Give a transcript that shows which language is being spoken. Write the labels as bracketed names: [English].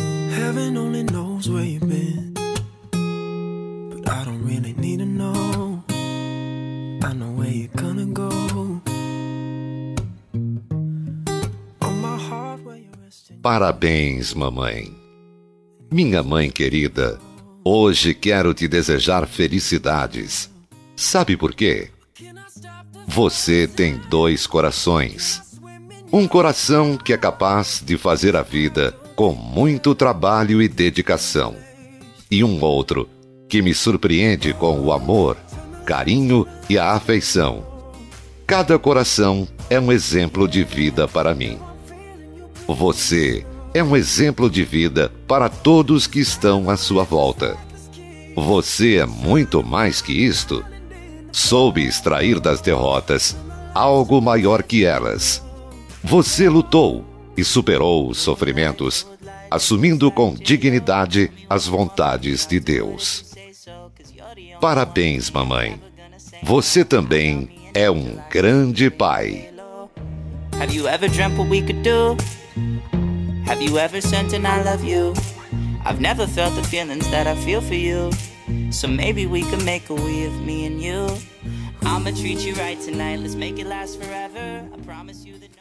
[English] Heaven only knows where you've been, but I don't really need to know. I know where you're gonna go. On my heart where you're resting. [Portuguese] Parabéns, mamãe. Minha mãe querida, hoje quero te desejar felicidades. Sabe por quê? Você tem dois corações. Um coração que é capaz de fazer a vida com muito trabalho e dedicação. E um outro que me surpreende com o amor, carinho e a afeição. Cada coração é um exemplo de vida para mim. Você é um exemplo de vida para todos que estão à sua volta. Você é muito mais que isto. Soube extrair das derrotas algo maior que elas. Você lutou e superou os sofrimentos, assumindo com dignidade as vontades de Deus. Parabéns, mamãe. Você também é um grande pai. [English] Have you ever dreamt what we could do? Have you ever sent an I love you? I've never felt the feelings that I feel for you. So maybe we can make a way of me and you. I'ma treat you right tonight. Let's make it last forever. I promise you that no